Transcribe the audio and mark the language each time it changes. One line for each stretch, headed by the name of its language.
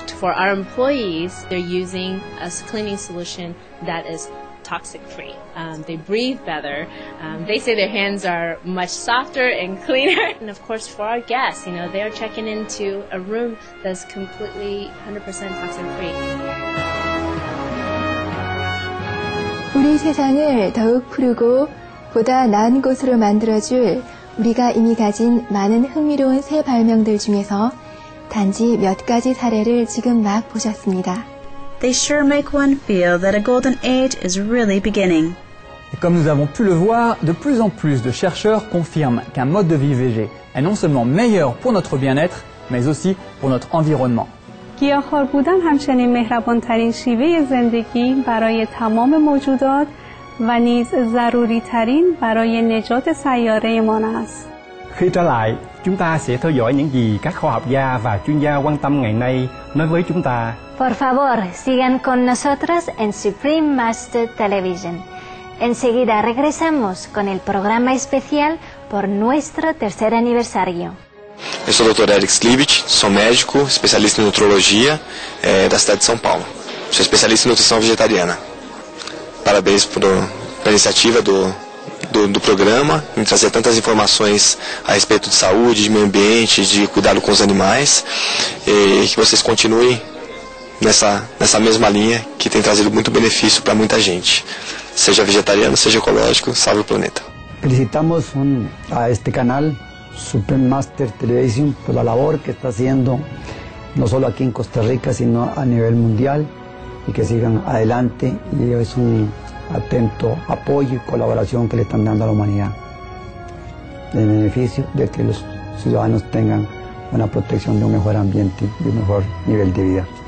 English: For our employees, they're using a cleaning solution that is toxic-free. They breathe better. They say their hands are much softer and cleaner. And of course, for our guests, you know, they're checking into a room that's completely 100% toxic-free.
Korean: 우리 세상을 더욱 푸르고 보다 나은 곳으로 만들어줄 우리가 이미 가진 많은 흥미로운 새 발명들 중에서 단지 몇 가지 사례를 지금 막 보셨습니다.
English: They sure make one feel that a golden age is really beginning.
French: Et comme nous avons pu le voir, de plus en plus de chercheurs confirment qu'un mode de vie végé est non seulement meilleur pour notre bien-être, mais aussi pour notre environnement.
Persian: گیاهخوار بودن همچنین مهربان‌ترین شیوه زندگی برای تمام موجودات و نیز ضروری ترین برای نجات سیاره ما است.
Vietnamese: Khi trở lại, chúng ta sẽ theo dõi những gì các khoa học gia và chuyên gia quan tâm ngày nay nói với chúng ta.
Spanish: Por favor, sigan con nosotros en Supreme Master Television. Enseguida regresamos con el programa especial por nuestro tercer aniversario.
Portuguese: Eu sou o Dr. Eric Slivich, sou médico, especialista em nutrologia da cidade de São Paulo. Sou especialista em nutrição vegetariana. Parabéns pela iniciativa do programa, em trazer tantas informações a respeito de saúde, de meio ambiente, de cuidado com os animais, e que vocês continuem nessa mesma linha que tem trazido muito benefício para muita gente. Seja vegetariano, seja ecológico, salve o planeta.
Spanish: Felicitamos a este canal Supreme Master Television por la labor que está haciendo no solo aquí en Costa Rica sino a nivel mundial y que sigan adelante y es un atento apoyo y colaboración que le están dando a la humanidad en beneficio de que los ciudadanos tengan una protección de un mejor ambiente y un mejor nivel de vida.